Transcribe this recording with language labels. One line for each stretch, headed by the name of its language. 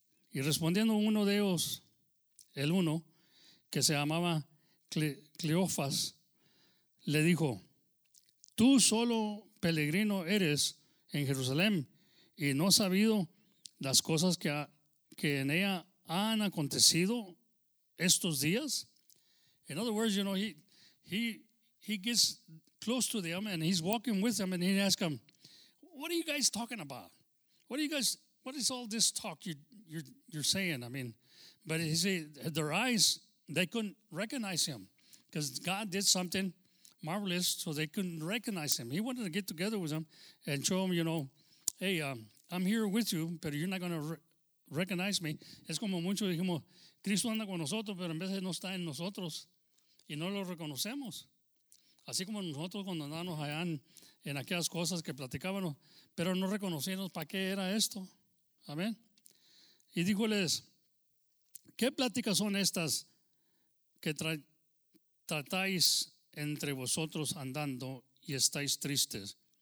Spanish: Y respondiendo uno de ellos, el uno, que se llamaba Cleofas, le dijo, tú solo peregrino eres en Jerusalén y no has sabido las cosas que en ella han acontecido estos días.
English: In other words, you know, he gets close to them and he's walking with them and he asks them, what are you guys talking about? What is all this talk you're saying? I mean, but he said, their eyes, they couldn't recognize him because God did something marvelous, so they couldn't recognize him. He wanted to get together with them and show them, you know, hey, I'm here with you, but you're not going to recognize me.
Spanish: Es como muchos dijimos, Cristo anda con nosotros, pero en veces no está en nosotros y no lo reconocemos. Así como nosotros cuando andamos allá en aquellas cosas que platicábamos, pero no reconocíamos para qué era esto. Amén. Y díjoles, ¿qué pláticas son estas que tratáis entre vosotros andando y estáis tristes?